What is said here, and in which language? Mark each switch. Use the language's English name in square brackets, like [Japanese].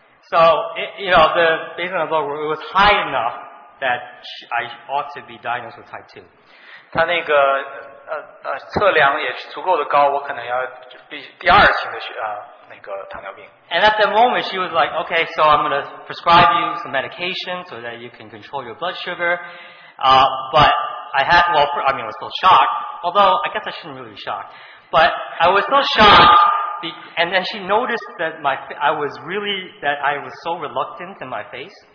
[English] So based on the blood work, it was high enough that I ought to be diagnosed with type 2. [Chinese] 她那个测量也足够的高，我可能要第二型的糖尿病。 [English] And at the moment, she was like, okay, so I'm going to prescribe you some medication so that you can control your blood sugar. I was still shocked. Although I guess I shouldn't really be shocked, but I was still shocked. And then she noticed that I was so reluctant in my face.